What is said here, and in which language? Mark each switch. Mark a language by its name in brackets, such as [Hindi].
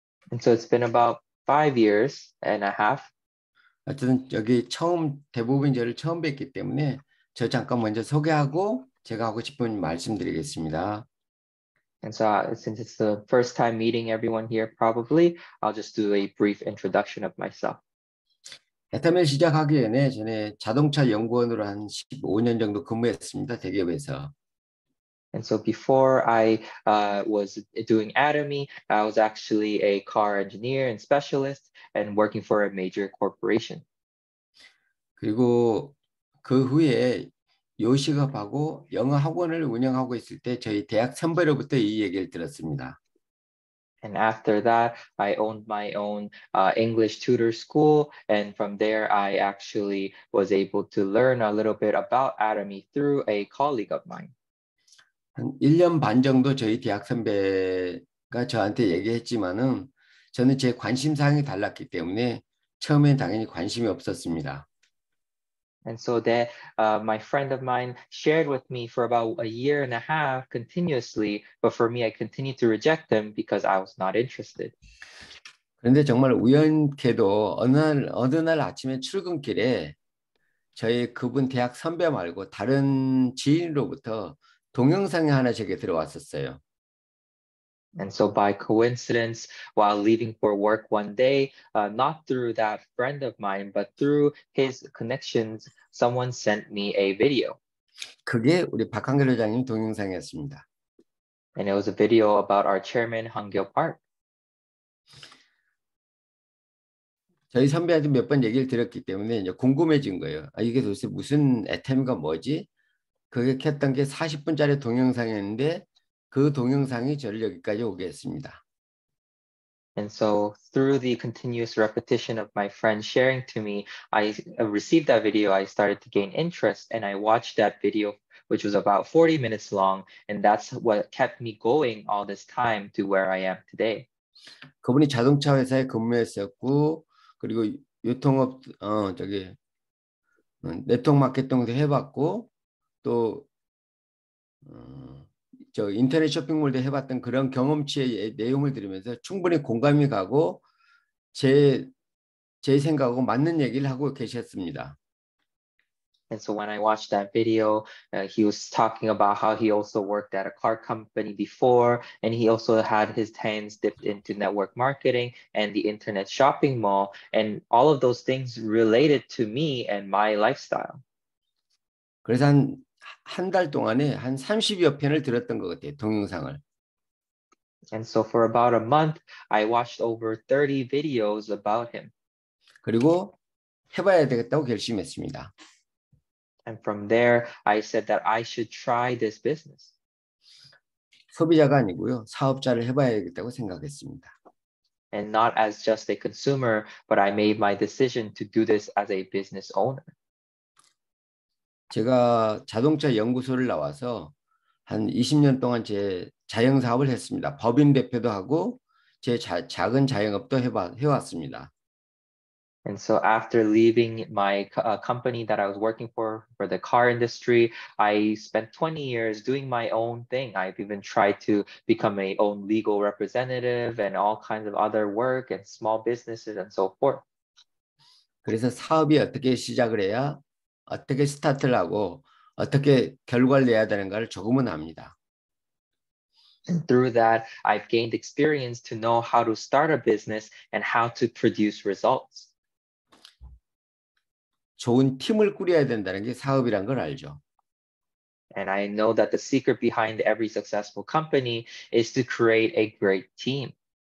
[English] And so it's been about 5 years and a half. [Korean] 어쨌든 여기 처음 대법인제를 처음 뵙기 때문에 저 잠깐 먼저 소개하고 제가 하고 싶은 말씀드리겠습니다. [English] And so since it's the first time meeting everyone here, probably I'll just do a brief introduction of myself. [Korean] 애터미 시작하기 전에 자동차 연구원으로 한 15년 정도 근무했습니다, 대기업에서. [English] And so before I was doing Atomy, I was actually a car engineer and specialist and working for a major corporation. [Korean] 그리고 그 후에 요식업하고 영어 학원을 운영하고 있을 때 저희 대학 선배로부터 이 얘기를 들었습니다. [English] And after that, I owned my own English tutor school. And from there, I actually was able to learn a little bit about Atomy through a colleague of mine. [Korean] 한 1년 반 정도 저희 대학 선배가 저한테 얘기했지만은 저는 제 관심사항이 달랐기 때문에 처음엔 당연히 관심이 없었습니다. [English] And so that my friend of mine shared with me for about a year and a half continuously, but for me, I continued to reject them because I was not interested. [Korean] 그런데 정말 우연케도 어느 날 아침에 출근길에 저희 그분 대학 선배 말고 다른 지인으로부터 동영상이 하나 제게 들어왔었어요. [English] And so by coincidence, while leaving for work one day, not through that friend of mine, but through his connections, someone sent me a video. [Korean] 그게 우리 박한결 회장님 동영상이었습니다. [English] And it was a video about our chairman, 한결 Park. [Korean] 저희 선배한테 몇 번 얘기를 들었기 때문에 이제 궁금해진 거예요. 아, 이게 도대체 무슨 애템이가 뭐지? 그게 했던 게 40분짜리 동영상이었는데 그 동영상이 저를 여기까지 오게 했습니다. [English] And so through the continuous repetition of my friend sharing to me, I received that video, I started to gain interest, and I watched that video which was about 40 minutes long, and that's what kept me going all this time to where I am today. [Korean] 그분이 자동차 회사에 근무했었고 그리고 유통업 네트워크 마케팅도 해봤고 또 저 인터넷 쇼핑몰도 해봤던 그런 경험치의 내용을 들으면서 충분히 공감이 가고 제 생각하고 맞는 얘기를 하고 계셨습니다. [English] And so when I watched that video, he was talking about how he also worked at a car company before, and he also had his hands dipped into network marketing and the internet shopping mall, and all of those things related to me and my lifestyle. [Korean] 그래서 한 달 동안에 한 30여 편을 들었던 것 같아요, 동영상을. [English] And so for about a month, I watched over 30 videos about him. [Korean] 그리고 해봐야 되겠다고 결심했습니다. [English] And from there, I said that I should try this business. [Korean] 소비자가 아니고요, 사업자를 해봐야겠다고 생각했습니다. [English] And not as just a consumer, but I made my decision to do this as a business owner. [Korean] 제가 자동차 연구소를 나와서 한 20년 동안 제 자영 사업을 했습니다. 법인 대표도 하고 제 작은 자영업도 해왔습니다. [English] And so after leaving my company that I was working for the car industry, I spent 20 years doing my own thing. I've even tried to become my own legal representative and all kinds of other work and small businesses and so forth. [Korean] 그래서 사업이 어떻게 시작을 해야 어떻게 스타트를 하고 어떻게 결과를 내야 되는가를 조금은 압니다. [English] And through that, I've gained experience to know how to start a business and how to produce results. [Korean] 좋은 팀을 꾸려야 된다는 게 사업이란 걸 알죠. [English] And I know that the secret behind every successful company is to create a great team.